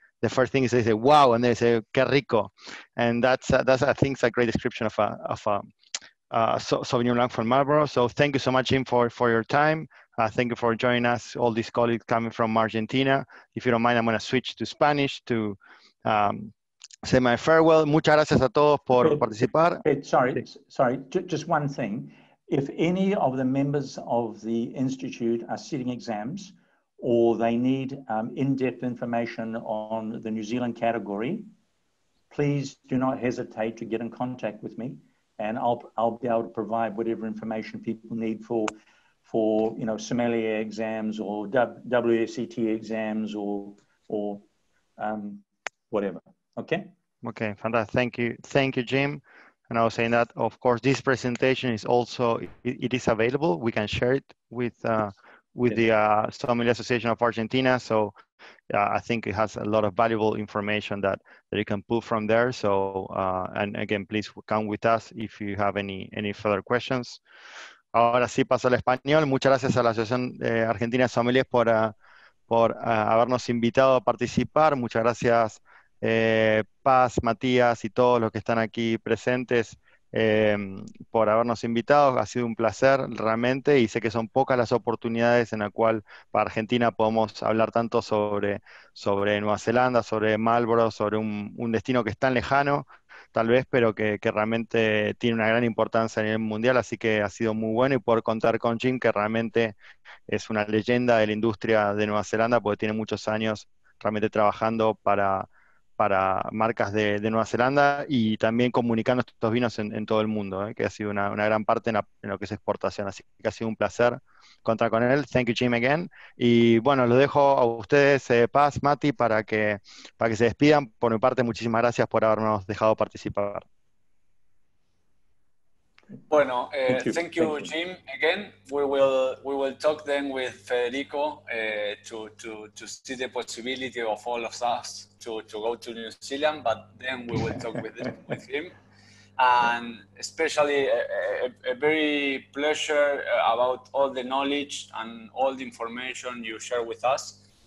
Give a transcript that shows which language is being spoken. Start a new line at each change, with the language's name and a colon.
English: The first thing is they say, wow, and they say,
Spanish: qué rico.
English: And that's I think, it's a great description of Sauvignon Blanc from Marlborough. So thank you so much, Jim, for your time. Thank you for joining us, all these colleagues coming from Argentina. If you don't mind, I'm going to switch to Spanish to say my farewell.
Spanish: Muchas gracias a todos por participar.
English: Sorry, just one thing. If any of the members of the Institute are sitting exams or they need in-depth information on the New Zealand category, please do not hesitate to get in contact with me. And I'll be able to provide whatever information people need for sommelier exams or WSET exams or whatever. Okay. Okay, fantastic. Thank you, Jim. And I was saying that, of course, this presentation is also, it is available. We can share it with the Sommelier Association of Argentina. So I think it has a lot of valuable information that you can pull from there. So, and again, please come with us if you have any further questions.
Spanish: Ahora sí paso al español. Muchas gracias a la Asociación Argentina Sommeliers por habernos invitado a participar. Muchas gracias Paz, Matías y todos los que están aquí presentes por habernos invitado. Ha sido un placer realmente y sé que son pocas las oportunidades en la cual para Argentina podemos hablar tanto sobre Nueva Zelanda, sobre Marlborough, sobre un destino que es tan lejano tal vez, pero que realmente tiene una gran importancia a nivel mundial, así que ha sido muy bueno y poder contar con Jim, que realmente es una leyenda de la industria de Nueva Zelanda, porque tiene muchos años realmente trabajando para marcas de Nueva Zelanda y también comunicando estos vinos en todo el mundo, que ha sido una gran parte en lo que es exportación, así que ha sido un placer contar con él.
English: Thank you, Jim, again.
Spanish: Y bueno, lo dejo a ustedes, Paz, Mati, para que se despidan. Por mi parte, muchísimas gracias por habernos dejado participar. Bueno,
English: thank you, Jim, again. We will talk then with Federico to see the possibility of all of us to go to New Zealand, but then we will talk with him. And especially a very pleasure about all the knowledge and all the information you share with us.